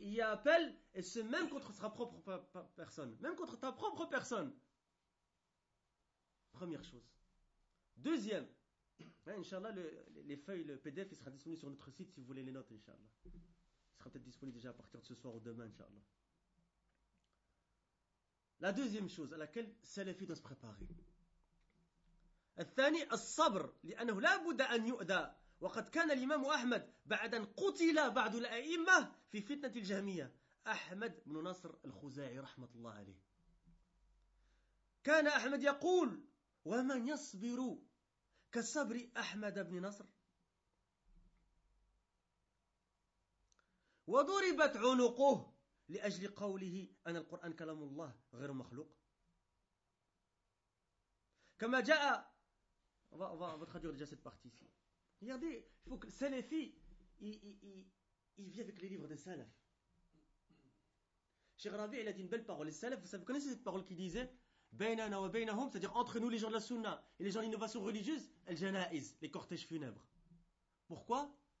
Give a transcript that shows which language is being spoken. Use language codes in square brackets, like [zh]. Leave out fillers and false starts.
[fr] Il y a appel, et ce même contre sa propre personne, même contre ta propre personne. Première chose. Deuxième, hein, Inch'Allah, les feuilles, le PDF, il sera disponible sur notre site si vous voulez les notes, Inch'Allah. Il sera peut-être disponible déjà à partir de ce soir ou demain, Inch'Allah. La deuxième chose à laquelle Salafi doit se préparer. [ar] الثاني الصبر لأنه لا بد أن يؤذى وقد كان الإمام أحمد بعد أن قتل بعض الأئمة في فتنة الجهمية أحمد بن نصر الخزاعي رحمة الله عليه. كان أحمد يقول ومن يصبر كصبر أحمد بن نصر وضربت عنقه لأجل قوله أن القرآن كلام الله غير مخلوق كما جاء [fr] va traduire déjà cette partie ici. Regardez, il faut que le salafi il vit avec les livres des salaf. Cheikh Rabi, il a dit une belle parole. Les salaf, vous connaissez cette parole qui disait [ar] بيننا وبينهم, [fr] c'est-à-dire entre nous les gens de la sunna et les gens d'innovation religieuse, الجنائز, les cortèges funèbres. Pourquoi?